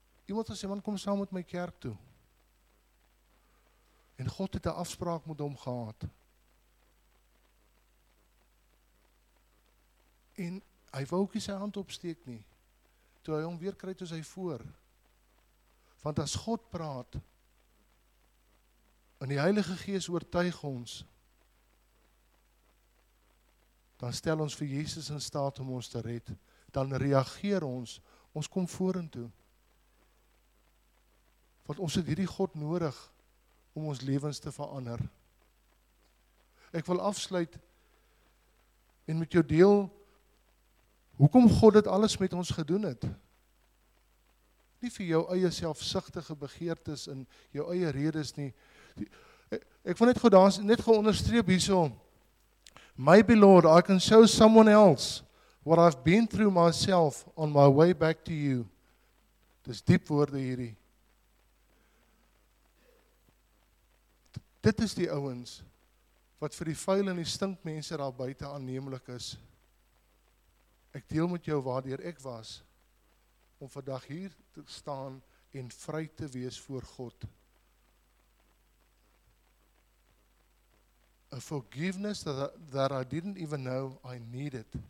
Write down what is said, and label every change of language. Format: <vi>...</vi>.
<af>Iemand het gesê, man, kom saam met my kerk toe. En God het 'n afspraak met hom gehad. En hy wou ook nie sy hand opsteek nie. Toe hy hom weer kry, toe sy voor. Want as God praat, en die Heilige Gees oortuig ons, dan stel ons vir Jesus in staat om ons te red. Dan reageer ons. Ons kom vorentoe. Want ons het hierdie God nodig om ons lewens te verander. Ek wil afsluit en met jou deel hoekom God dit alles met ons gedoen het. Nie vir jou eie selfsugtige begeertes en jou eie redes nie. Ek wil net gou daar net gou onderstreep hierso.</af> <en>My Lord, I can show someone else what I've been through myself on my way back to you.</en> <af>Dis diep woorde hierdie. Dit is die ouens wat vir die vuil en die stinkmense daar buite aanneemlik is. Ek deel met jou waardeur ek was om vandag hier te staan en vry te wees voor God.</af> <en>A forgiveness that I didn't even know I needed.</en>